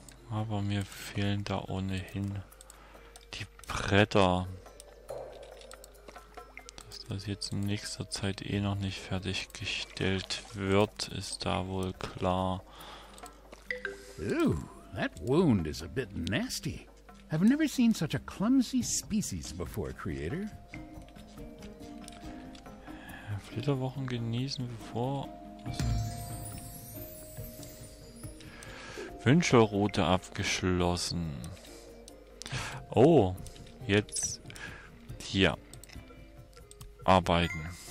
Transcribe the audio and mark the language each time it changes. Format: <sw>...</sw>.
<de>Aber mir fehlen da ohnehin die Bretter. Dass das jetzt in nächster Zeit eh noch nicht fertiggestellt wird, ist da wohl klar.</de> <en>Ooh, that wound is a bit nasty. I've never seen such a clumsy species before, Creator.</en> <de>Flitterwochen genießen, bevor. Wünschelrute abgeschlossen. Oh, jetzt hier. Arbeiten.</de>